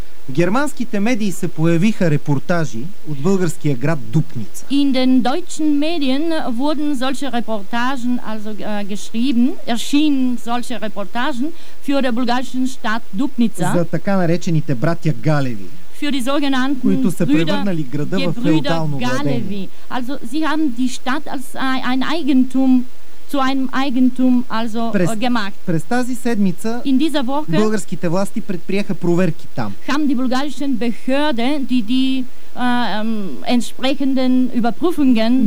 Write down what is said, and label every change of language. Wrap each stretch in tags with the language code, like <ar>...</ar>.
<bg>Германските медии се появиха репортажи от българския град Дупница.</bg> <de>In den deutschen Medien wurden solche Reportagen, also geschrieben, erschienen solche Reportagen für die bulgarische Stadt Дупница.</de> <bg>За така наречените братя Галеви.</bg> <de>Für die sogenannten</de> <bg>които са превърнали града в феодално владение.</bg> <de>Also, sie haben die Stadt als ein Eigentum zu einem Eigentum also gemacht.</de> <bg>През тази седмица</bg> <de>in dieser Woche</de> <bg>българските власти предприеха проверки там.</bg> <de>Haben die bulgarischen Behörde die entsprechenden Überprüfungen</de>